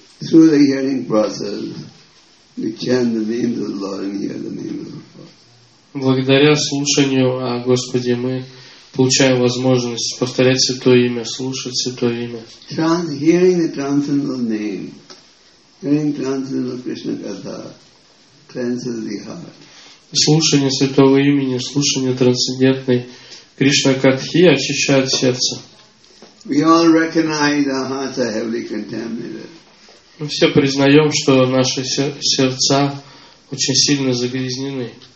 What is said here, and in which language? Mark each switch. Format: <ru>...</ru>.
<ru>Благодаря слушанию о Господе мы получаем возможность повторять Святое Имя, слушать Святое Имя.</ru> <en>Hearing the transcendental name, hearing transcendental Krishna Katha, cleanses the heart.</en> <ru>Слушание Святого Имени, слушание трансцендентной Кришна Катхи очищает сердце.</ru> <en>We all recognize our hearts are heavily contaminated.</en> <ru>Мы все признаем, что наши сердца очень сильно загрязнены.</ru>